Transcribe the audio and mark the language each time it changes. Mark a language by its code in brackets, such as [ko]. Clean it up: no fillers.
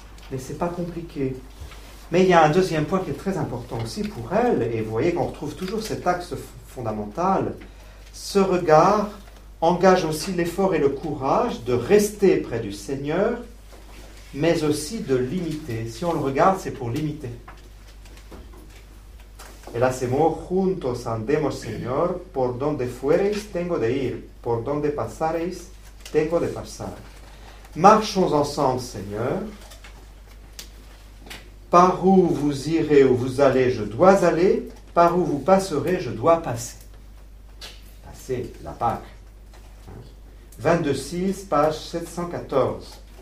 [fr] Mais ce n'est pas compliqué. Mais il y a un deuxième point qui est très important aussi pour elle, et vous voyez qu'on retrouve toujours cet axe fondamental. Ce regard engage aussi l'effort et le courage de rester près du Seigneur, mais aussi de l'imiter. Si on le regarde, c'est pour l'imiter. [es] El hacemos juntos andemos, Señor, por donde fuereis, tengo de ir, por donde pasareis, tengo de pasar. [fr] Marchons ensemble, Seigneur. Par où vous irez ou vous allez, je dois aller. Par où vous passerez, je dois passer. Passer la Pâque. 22-6, page 714.